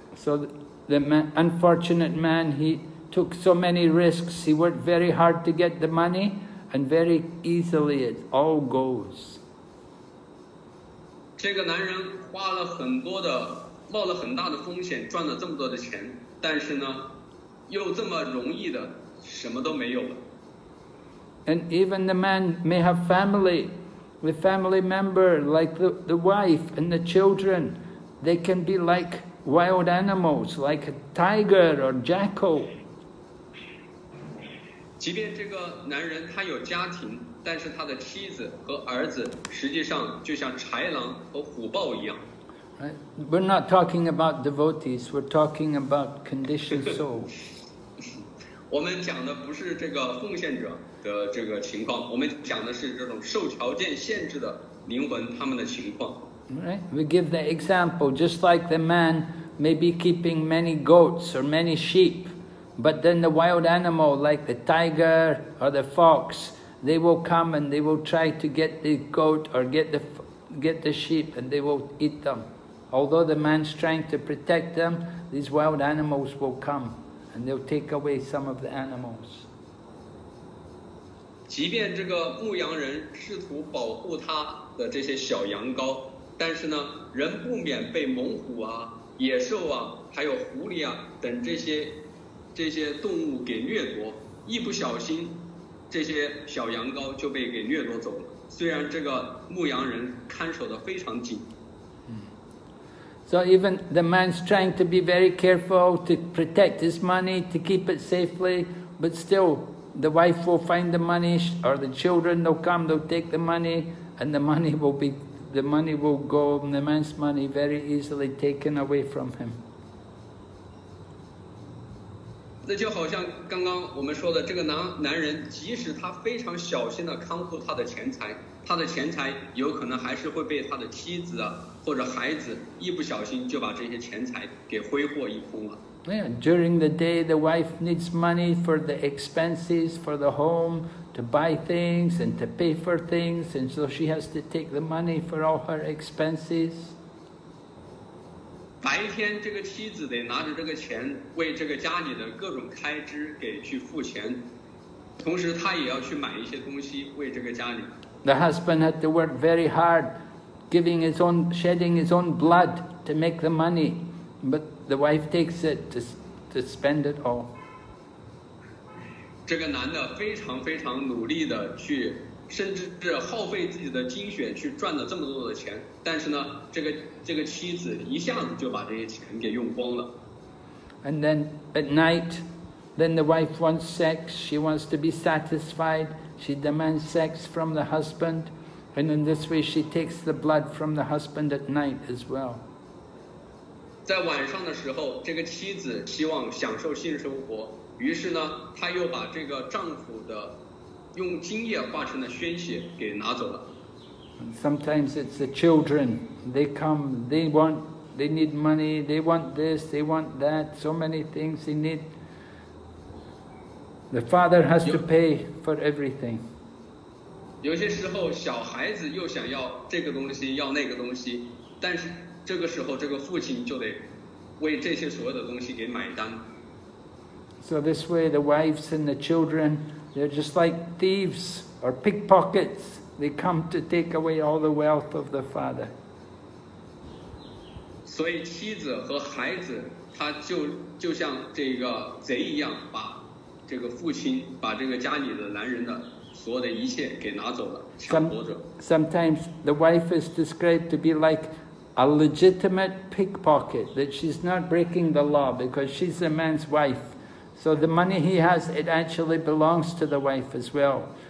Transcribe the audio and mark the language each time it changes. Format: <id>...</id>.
<en>So the man, unfortunate man, he. Took so many risks. He worked very hard to get the money, and very easily it all goes.</en> <zh>这个男人花了很多的，冒了很大的风险，赚了这么多的钱，但是呢，又这么容易的，什么都没有了。</zh> <en>And even the man may have family, the family member like the wife and the children, they can be like wild animals, like a tiger or jackal.</en> <zh>即便这个男人他有家庭，但是他的妻子和儿子实际上就像豺狼和虎豹一样。</zh> <en>Right. We're not talking about devotees. We're talking about conditioned souls.</en> <zh>我们讲的不是这个奉献者的这个情况，我们讲的是这种受条件限制的灵魂他们的情况。</zh> <en>Right. We give the example, just like the man may be keeping many goats or many sheep. But then the wild animal, like the tiger or the fox, they will come and they will try to get the goat or get the sheep and they will eat them. Although the man's trying to protect them, these wild animals will come and they'll take away some of the animals.</en> <zh>即便这个牧羊人试图保护他的这些小羊羔，但是呢，人不免被猛虎啊、野兽啊、还有狐狸啊等这些动物给掠夺，一不小心，这些小羊羔就被给掠夺走了。虽然这个牧羊人看守得非常紧。</zh> <en>So even the man's trying to be very careful to protect his money, to keep it safely, but still the wife will find the money, or the children will come, they'll take the money, and the money will go, and the man's money very easily taken away from him.</en> <zh>那就好像刚刚我们说的，这个男人，即使他非常小心地看护他的钱财有可能还是会被他的妻子啊或者孩子一不小心就把这些钱财给挥霍一空了。</zh> <en>Yeah, during the day, the wife needs money for the expenses for the home, to buy things and to pay for things, and so she has to take the money for all her expenses.</en> <zh>白天这个妻子得拿着这个钱为这个家里的各种开支给去付钱，同时他也要去买一些东西为这个家里。</zh> <en>The husband had to work very hard, giving his own, shedding his own blood to make the money, but the wife takes it to spend it all.</en> <zh>这个男的非常非常努力的去，甚至是耗费自己的精血去赚了这么多的钱，但是呢，这个妻子一下子就把这些钱给用光了。</zh> <en>And then at night, then the wife wants sex. She wants to be satisfied. She demands sex from the husband, and in this way, she takes the blood from the husband at night as well.</en> <zh>在晚上的时候，这个妻子希望享受性生活，于是呢，她又把这个丈夫的。用精液化成的鲜血给拿走了。</zh> <en>Sometimes it's the children. They come. They want. They need money. They want this. They want that. So many things they need. The father has to pay for everything.</en> <zh>有些时候，小孩子又想要这个东西，要那个东西，但是这个时候，这个父亲就得为这些所有的东西给买单。</zh> <en>So this way, the wives and the children. They're just like thieves or pickpockets. They come to take away all the wealth of the father.</en> <zh>所以妻子和孩子，他就像这个贼一样，把这个父亲，把这个家里的男人的所有的一切给拿走了，抢夺着。</zh> <en>Sometimes the wife is described to be like a legitimate pickpocket, that she's not breaking the law because she's the man's wife. So the money he has, it actually belongs to the wife as well.</en>